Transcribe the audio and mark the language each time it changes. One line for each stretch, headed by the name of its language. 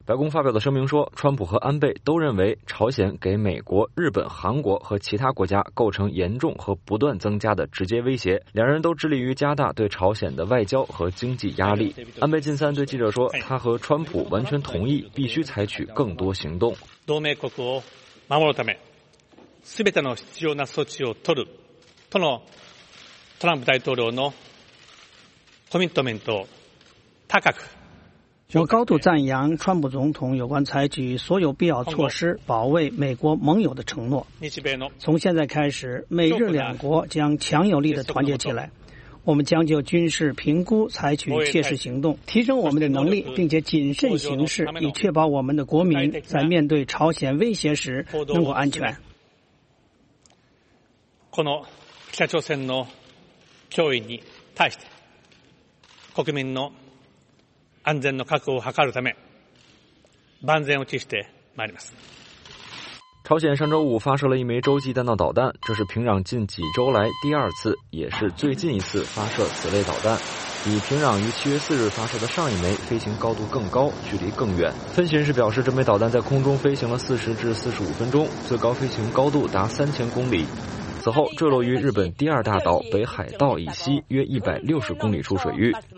Chinese: 白宫发表的声明说，川普和安倍都认为朝鲜给美国、日本、韩国和其他国家构成严重和不断增加的直接威胁，两人都致力于加大对朝鲜的外交和经济压力。安倍晋三对记者说，他和川普完全同意必须采取更多行动。
Japanese: 同盟国を守るため、すべての必要な措置を取るとのトランプ大統領のコミットメントを高く。
Chinese: 我高度赞扬川普总统有关采取所有必要措施保卫美国盟友的承诺。从现在开始，美日两国将强有力地团结起来，我们将就军事评估采取切实行动，提升我们的能力，并且谨慎行事，以确保我们的国民在面对朝鲜威胁时能够安全。
Japanese: この北朝鮮の脅威に対して国民の安全の確保を図るため万全を期してまいります。
Chinese: 朝鲜上周五发射了一枚洲际弹道导弹，这是平壤近几周来第二次也是最近一次发射此类导弹，比平壤于7月4日发射的上一枚飞行高度更高，距离更远。分析人士表示，这枚导弹在空中飞行了40至45分钟，最高飞行高度达3000公里，此后坠落于日本第二大岛北海道以西约160公里处水域。